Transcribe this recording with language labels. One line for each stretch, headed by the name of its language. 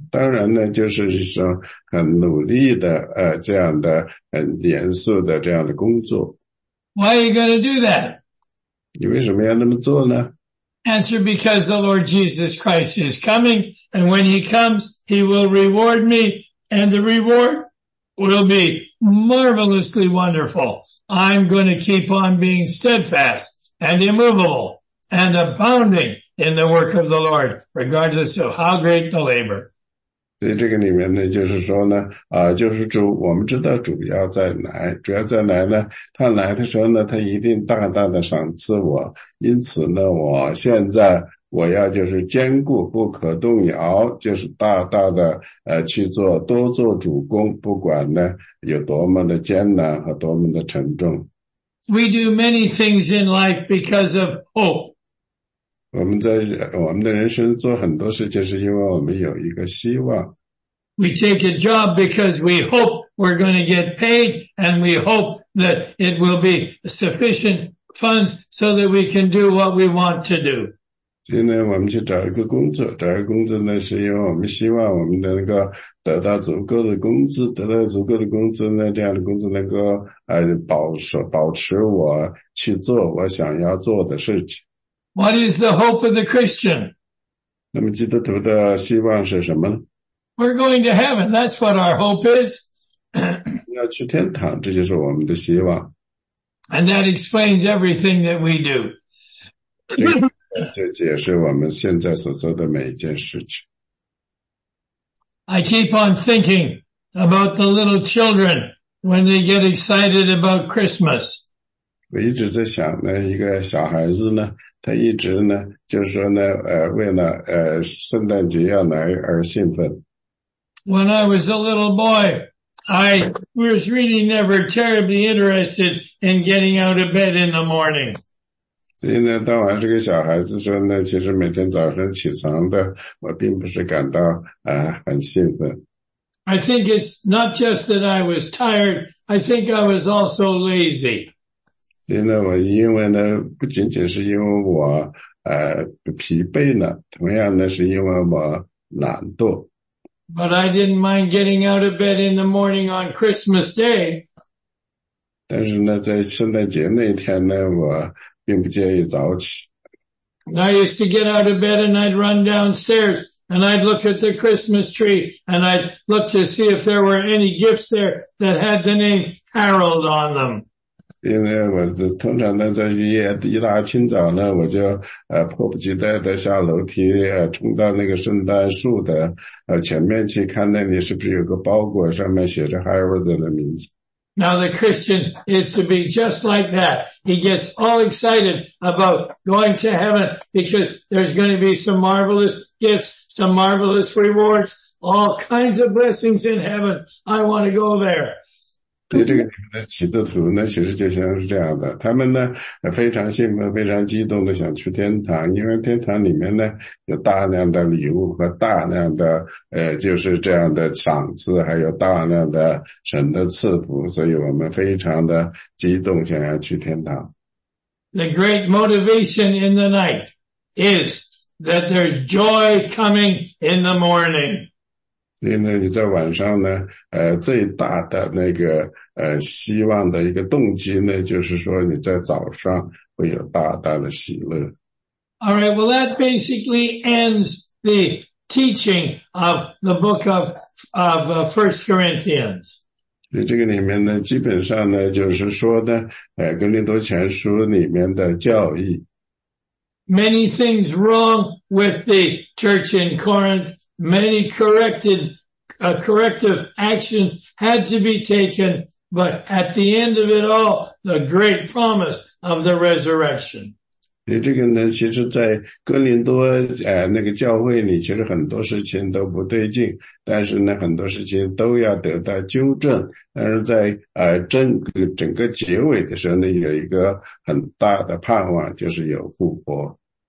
Chinese: 当然呢，就是说很努力的，这样的很严肃的这样的工作。
English: Why are you going to do that?
Chinese: 你为什么要那么做呢？
English: Answer, because the Lord Jesus Christ is coming, and when he comes, he will reward me, and the reward will be marvelously wonderful. I'm going to keep on being steadfast and immovable and abounding in the work of the Lord, regardless of how great the labor.
Chinese: 所以这个里面呢，就是说呢，就是主，我们知道主要再来，主要再来呢，他来的时候呢，他一定大大的赏赐我。因此呢，我现在我要就是坚固不可动摇，就是大大的去做，多做主工，不管呢有多么的艰难和多么的沉重。
English: We do many things in life because of hope.
Chinese: 我们在我们的人生做很多事，就是因为我们有一个希望。
English: We take a job because we hope we're going to get paid, and we hope that it will be sufficient funds so that we can do what we want to do.
Chinese: 所以呢，我们去找一个工作，找一个工作呢，是因为我们希望我们能够得到足够的工资，得到足够的工资呢，这样的工资能够保持我去做我想要做的事情。
English: What is the hope of the Christian?
Chinese: 那么基督徒的希望是什么呢？
English: We're going to heaven. That's what our hope is.
Chinese: 要去天堂，这就是我们的希望。
English: And that explains everything that we do.
Chinese: 这也是我们现在所做的每一件事情。
English: I keep on thinking about the little children when they get excited about Christmas.
Chinese: 我一直在想呢，一个小孩子呢，他一直呢，就是说呢，为了圣诞节要来而兴奋。
English: When I was a little boy, I was really never terribly interested in getting out of bed in the morning.
Chinese: 所以呢，当我是个小孩子说呢，其实每天早上起床的，我并不是感到很兴奋。
English: I think it's not just that I was tired, I think I was also lazy.
Chinese: 所以呢，我因为呢，不仅仅是因为我疲惫呢，同样呢，是因为我懒惰。
English: But I didn't mind getting out of bed in the morning on Christmas Day.
Chinese: 但是呢，在圣诞节那天呢，我并不介意早起。
English: I used to get out of bed and I'd run downstairs and I'd look at the Christmas tree and I'd look to see if there were any gifts there that had the name Harold on them.
Chinese: 因为我通常呢，在一大清早呢，我就迫不及待的下楼梯，冲到那个圣诞树的前面去看那里是不是有个包裹，上面写着 Harold 的名字。
English: Now the Christian is to be just like that. He gets all excited about going to heaven because there's going to be some marvelous gifts, some marvelous rewards, all kinds of blessings in heaven. I want to go there.
Chinese: 对这个里面的基督徒呢，其实就像是这样的，他们呢非常兴奋，非常激动的想去天堂，因为天堂里面呢有大量的礼物和大量的就是这样的赏赐，还有大量的神的赐福，所以我们非常的激动，想要去天堂。
English: The great motivation in the night is that there's joy coming in the morning.
Chinese: 所以呢，你在晚上呢，最大的那个希望的一个动机呢，就是说你在早上会有大大的喜乐。
English: All right, well, that basically ends the teaching of the book of 1 Corinthians.
Chinese: 这个里面呢，基本上呢，就是说呢，《哥林多前书》里面的教义。
English: Many things wrong with the church in Corinth. Many corrective actions had to be taken, but at the end of it all, the great promise of the resurrection.
Chinese: 这个呢，其实在哥林多那个教会里，其实很多事情都不对劲，但是呢，很多事情都要得到纠正。但是在整个结尾的时候呢，有一个很大的盼望，就是有复活。